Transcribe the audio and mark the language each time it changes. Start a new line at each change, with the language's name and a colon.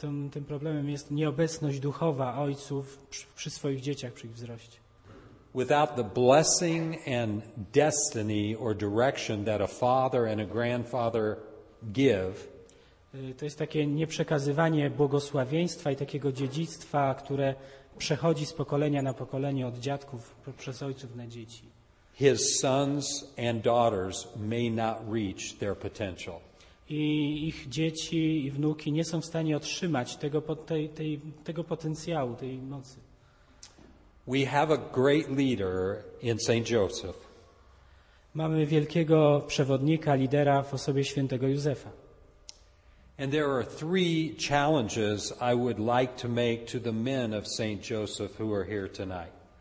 Polish: Tym problemem jest nieobecność duchowa ojców przy swoich dzieciach, przy ich wzroście.
English: Without the blessing and destiny or direction that a father and a grandfather give.
Polish: To jest takie nieprzekazywanie błogosławieństwa i takiego dziedzictwa, które przechodzi z pokolenia na pokolenie od dziadków przez ojców na dzieci.
English: His sons and daughters may not reach their potential.
Polish: I ich dzieci i wnuki nie są w stanie otrzymać tego potencjału, tej mocy.
English: We have a great leader in Saint Joseph.
Polish: Mamy wielkiego przewodnika, lidera w osobie świętego Józefa.
English: And there are three challenges I would like to make to the men of Saint Joseph who are here tonight.